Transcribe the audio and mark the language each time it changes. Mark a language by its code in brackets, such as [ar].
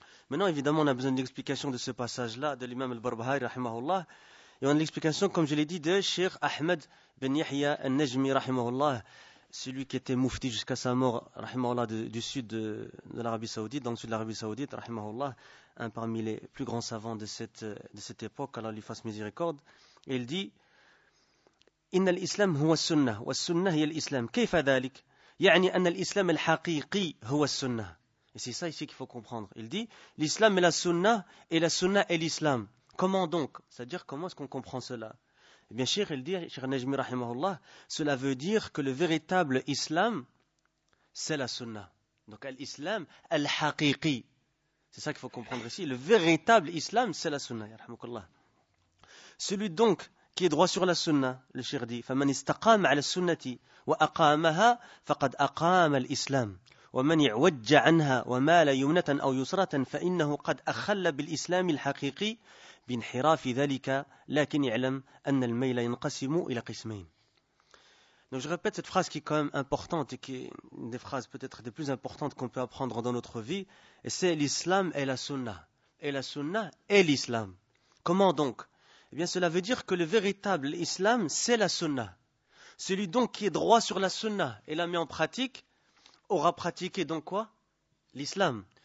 [fr] Maintenant, évidemment, on a besoin d'une explication de ce passage-là, de l'imam al-Barbahari, rahimahullah, et on a l'explication, comme je l'ai dit, de Cheikh Ahmed bin Yahya al-Najmi, rahimahullah, celui qui était mufti jusqu'à sa mort, rahimahullah, du sud de l'Arabie Saoudite, dans le sud de l'Arabie Saoudite, rahimahullah, un parmi les plus grands savants de cette époque, Allah lui fasse miséricorde, et il dit « [ar] Inna l'islam huwa sunnah, wa sunnah hiya l'islam, kayfa dhalik ?» يعني أن الإسلام الحقيقي هو السنة. [fr] Et c'est ça ici qu'il faut comprendre. Il dit, l'islam est la sunnah et la sunnah est l'islam. Comment donc ? C'est-à-dire, comment est-ce qu'on comprend cela ? Eh bien, Cheikh, il dit, Cheikh Najmi rahimahullah, cela veut dire que le véritable islam, c'est la sunnah. Donc, l'islam, al-haqiqi. C'est ça qu'il faut comprendre ici. Le véritable islam, c'est la sunnah. [ar] Ya rahmukallah. [fr] Celui donc qui est droit sur la sunnah, le Cheikh dit, [ar] فَمَنْ إِسْتَقَامَ عَلَى السُنَّةِ وأقامها فقد أقام الإسلام ومن يعوج عنها ومال يمنة أو يسرة فإنه قد أخل بالإسلام الحقيقي بانحراف ذلك لكن يعلم أن الميل ينقسم إلى قسمين. [fr] Donc je répète cette phrase qui est quand même importante et qui est une des phrases peut-être des plus importantes qu'on peut apprendre dans notre vie, et c'est l'islam et la sunna, et la sunna et l'islam. Comment donc? Eh bien, cela veut dire que le véritable islam, c'est la sunna. Celui donc qui est droit sur la sunna et la met en pratique, aura pratiqué donc quoi? L'islam.